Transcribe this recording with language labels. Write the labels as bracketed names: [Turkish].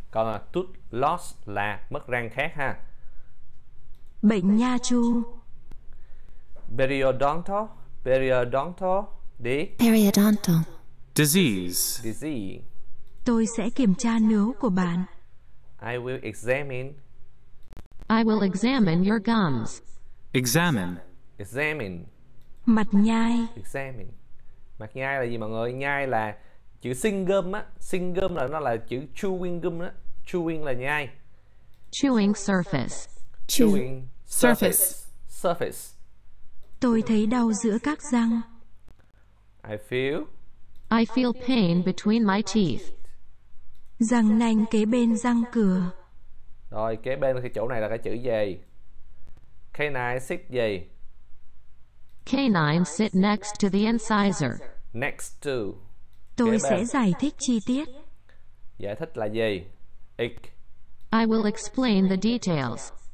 [Vietnamese] Còn là [English] tooth loss [Vietnamese] là mất răng khác ha. Bệnh nha chu. [English] Periodontal. Periodontal. Đi. Periodontal. Disease. Disease. [Vietnamese] Tôi sẽ kiểm tra nướu của bạn. [English] I will examine. I will examine your gums. Examine. Examine. [Vietnamese] Mặt nhai. Examine. Mặt nhai là gì mọi người? Nhai là chữ sing gum á. Sing gum là nó là chữ [English] chewing gum [Vietnamese] á. Chewing là nhai. [English] Chewing surface. Chewing surface. Surface. [Vietnamese] Tôi thấy đau giữa các răng. [English] I feel pain between my teeth. [Vietnamese] Răng nanh kế bên răng cửa. Rồi, kế bên cái chỗ này là cái chữ gì? [English] Canine sit gì? Canine sit next to the incisor. Next to. [Vietnamese] Tôi sẽ giải thích chi tiết. Giải thích là gì? [English] I will explain the details.